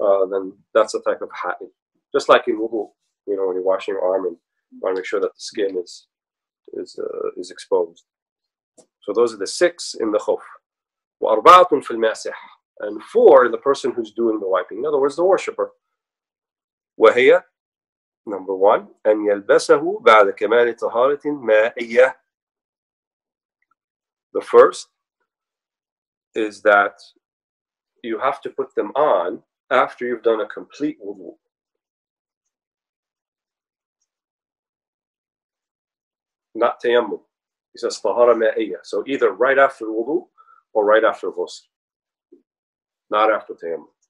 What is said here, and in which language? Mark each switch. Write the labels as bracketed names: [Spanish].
[English] Then that's a type of hat. Just like in wudu, you know, when you're washing your arm, and you want to make sure that the skin is exposed. So those are the six in the khuf. [Arabic] وَأَرْبَعَةٌ فِي الْمَاسِحِ, [English] and four in the person who's doing the wiping. In other words, the worshipper. [Arabic] وَهِيَ, [English] number one, [Arabic] أن يلبسه بعد كمال طهارة مائية. [English] The first is that you have to put them on after you've done a complete wudu. Not tayammum. He says tahara ma'iyya. So either right after wudu or right after ghusl. Not after tayammum.